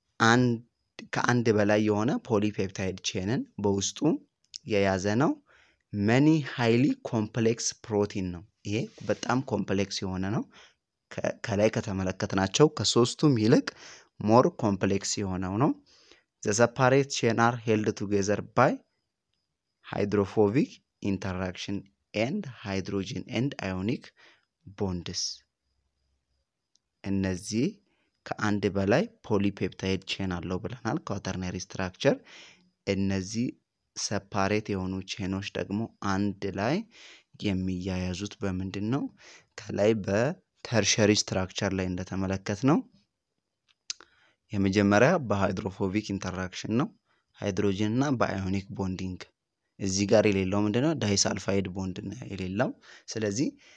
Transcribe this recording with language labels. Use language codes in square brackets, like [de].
[am] አንድ ከአንድ በላይ የሆነ polypeptide chainን በውስጡ የያዘ ነው [en] many highly complex protein [am] ነው ይሄ በጣም complex የሆነ ነው ከላይ ከተመለከትናቸው ከሶስቱም ይልቅ more complex የሆነው ነው [en] The separate chain are held together by hydrophobic interaction and hydrogen and ionic bonds. [am] እነዚህ ከአንድ በላይ polypeptide chain አለው ብለናል quaternary structure. እነዚህ separate የሆኑ chainዎች ደግሞ አንድ ላይ የሚያያዙት በምንድን ነው? ከላይ በtertiary structure ላይ እንደተመለከትነው የመጀመሪያ በhydrophobic interaction ነው hydrogen እና bionic bonding እዚህ ጋር የሌለው ምንድነው disulfide bond ነው የሌለው ስለዚህ